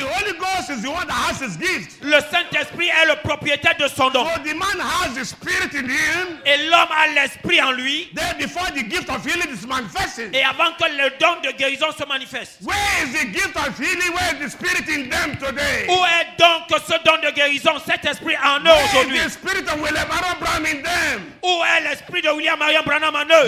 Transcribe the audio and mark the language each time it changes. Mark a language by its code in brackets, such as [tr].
[en] The Holy Ghost is the one that has his gift. [fr] Le Saint-Esprit est le propriétaire de son don. [en] So the man has the spirit in him. [fr] Et l'homme a l'esprit en lui. [en] Then before the gift of healing is manifesting. [fr] Et avant que le don de guérison se manifeste. [en] Where is the gift of healing? Where is the spirit in them today? [fr] Où est donc ce don de guérison, cet esprit en eux aujourd'hui? [en] Where is the spirit of William Branham Branham in them? [fr] Où est l'esprit de William Marion Branham en eux?